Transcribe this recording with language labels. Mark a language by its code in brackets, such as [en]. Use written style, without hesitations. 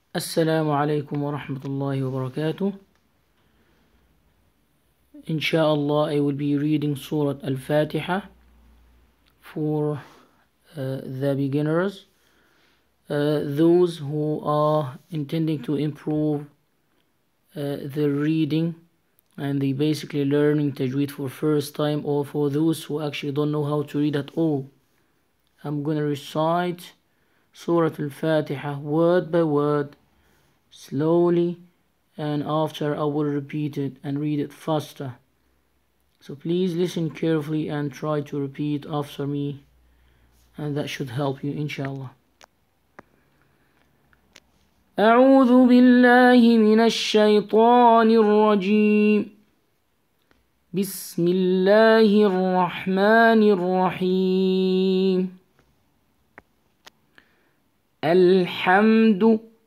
[ar] السلام عليكم ورحمة الله وبركاته. إن شاء الله [en] I will be reading سورة الفاتحة for the beginners, those who are intending to improve the reading and the basically learning Tajweed for first time, or for those who actually don't know how to read at all. I'm gonna recite سورة الفاتحة word by word slowly, and after I will repeat it and read it faster. So please listen carefully and try to repeat after me, and that should help you inshallah. [ar] أعوذ بالله من الشيطان الرجيم بسم الله الرحمن الرحيم الحمد